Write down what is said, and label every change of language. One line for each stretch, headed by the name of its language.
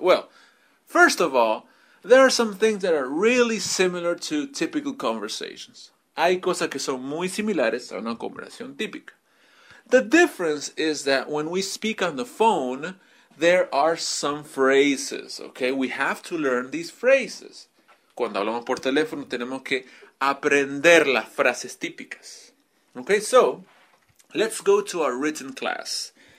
English: Well, first of all, there are some things that are really similar to typical conversations.
Spanish: Hay cosas que son muy similares a una conversación típica.
English: The difference is that when we speak on the phone, there are some phrases, okay? We have to learn these phrases.
Spanish: Cuando hablamos por teléfono, tenemos que aprender las frases típicas.
English: Okay, so, let's go to our written class.